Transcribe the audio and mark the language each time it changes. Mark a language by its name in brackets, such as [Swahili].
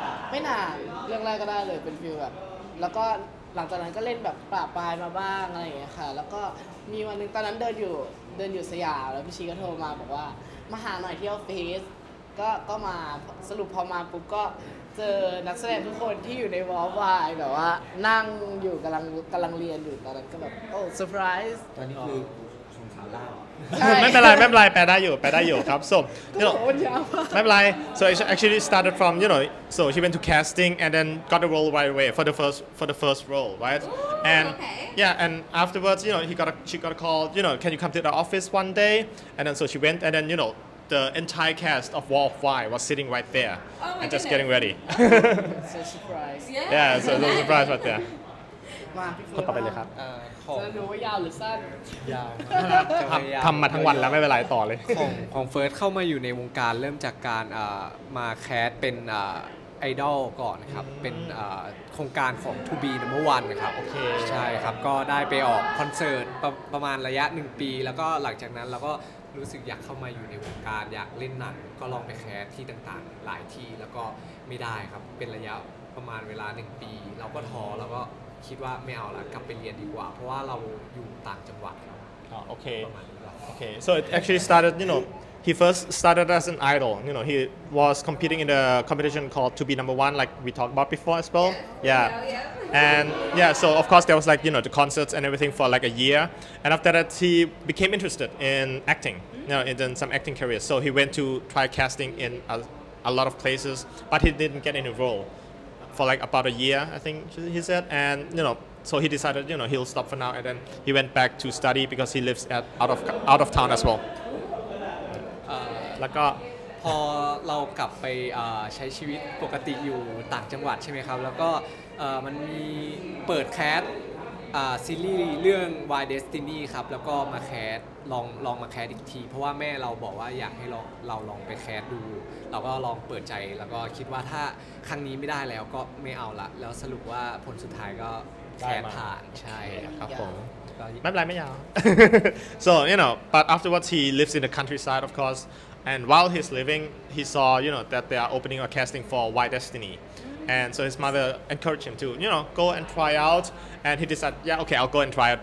[Thai] ไม่นานเรื่องแรกก็ได้เลยเป็นฟิลแบบแล้วก็หลังจากนั้นก็เล่นแบบปากปลายมาบ้างอะไรเงี้ยค่ะแล้วก็มีวันนึงตอนนั้นเดินอยู่สยามแล้วพี่ชีก็โทรมาบอกว่ามาหาหน่อยที่ออฟฟิศก็มาสรุปพอมาปุ๊บก็เจอนักแสดงทุกคนที่อยู่ในวอลวายแบบว่านั่งอยู่กำลังเรียนอยู่ตอนนั้นก็แบบโอ้เซอร์ไพรส์ตอนนี้คือ ไม่เป็นไรแปลได้อยู่ครับสม ที่เรา ไม่เป็นไร [English] so it actually started from you know so she went to casting and then got the role right away for the first role right and yeah and afterwards you know she got a call you know can you come to the office one day and then so she went and then you know the entire cast of Wall of Y was sitting right there and just getting ready so surprise yeah so no surprise right there [Thai] คนต่อไปเลยครับ จะรู้ว่ายาวหรือสั้น ยาว ทำมาทั้งวันแล้วไม่เป็นไรต่อเลย ของเฟิร์สเข้ามาอยู่ในวงการเริ่มจากการมาแคสเป็นไอดอลก่อนครับเป็นโครงการของ 2B Number One นะครับ โอเค ใช่ครับก็ได้ไปออกคอนเสิร์ตประมาณระยะ1ปีแล้วก็หลังจากนั้นเราก็รู้สึกอยากเข้ามาอยู่ในวงการอยากเล่นหนังก็ลองไปแคสที่ต่างๆหลายที่แล้วก็ไม่ได้ครับเป็นระยะประมาณเวลา1ปีเราก็ท้อแล้วก็คิดว่าไม่เอาละกลับไปเรียนดีกว่าเพราะว่าเราอยู่ต่างจังหวัดครับ [English] โอเคSo it actually started, you know, he first started as an idol. You know, he was competing in a competition called 2B Number One, like we talked about before as well. Yeah. And yeah, so of course there was like, you know, the concerts and everything for like a year. And after that, he became interested in acting, you know, in some acting careers. So he went to try casting in a lot of places, but he didn't get any role. For like about a year, I think he said, and you know, so he decided, you know, he'll stop for now, and then he went back to study because he lives at out of town as well. [Thai] Like, พอเรากลับไปใช้ชีวิตปกติอยู่ต่างจังหวัดใช่ไหมครับแล้วก็มันมีเปิดแคสซีรีส์เรื่อง Why Destiny ครับแล้วก็มาแคสลองมาแคสอีกทีเพราะว่าแม่เราบอกว่าอยากให้เราลองไปแคสดูเราก็ลองเปิดใจแล้วก็คิดว่าถ้าครั้งนี้ไม่ได้แล้วก็ไม่เอาละแล้วสรุปว่าผลสุดท้ายก็แคสผ่านใช่ ครับผมไม่เป็นไรไม่ยาว [English] so you know but afterwards he lives in the countryside of course and while he's living he saw you know that they are opening a casting for Why Destiny and so his mother encouraged him to you know go and try outAnd he decided, yeah, okay, I'll go and try it.